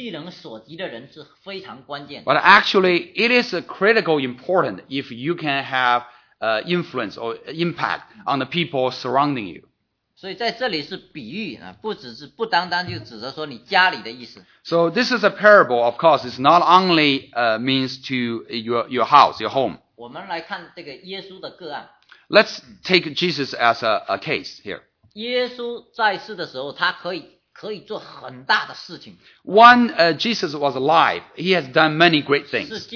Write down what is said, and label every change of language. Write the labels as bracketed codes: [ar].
[zh] 但实际上就是你影响你身边所能力能所及的人是非常关键的。 [en] But actually, it is critical important if you can have influence or impact on the people surrounding you. [zh] 所以在这里是比喻, 不只是不单单就指着说你家里的意思。 [en] So this is a parable, of course, it's not only means to your house, your home. [zh] 我们来看这个耶稣的个案。 [en] Let's take Jesus as a case here. [zh] 耶稣在世的时候，他可以做很大的事情。 [en] When Jesus was alive, he has done many great things.